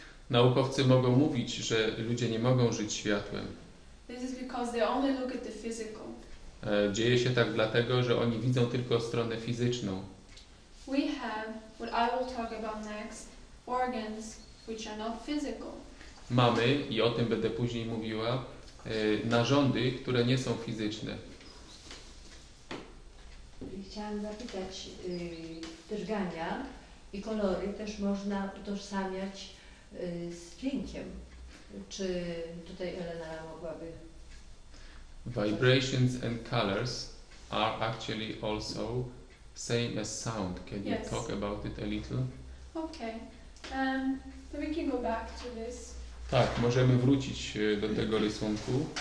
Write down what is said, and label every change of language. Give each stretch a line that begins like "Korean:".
Polish: Naukowcy mogą mówić, że ludzie nie mogą żyć światłem.
English: This is because they only look at the physical.
Polish: Dzieje się tak dlatego, że oni widzą tylko stronę fizyczną.
English: We have, what I will talk about next, organs which are not physical.
Polish: Mamy, i o tym będę później mówiła, narządy, które nie są fizyczne. Chciałam zapytać, drgania i kolory też można utożsamiać z dźwiękiem. Czy tutaj Elena mogłaby...
English: Vibrations and colors are actually also same as sound. Can you talk about it a little? Okay. So we can go back to this.
Polish: Tak, możemy wrócić do tego rysunku.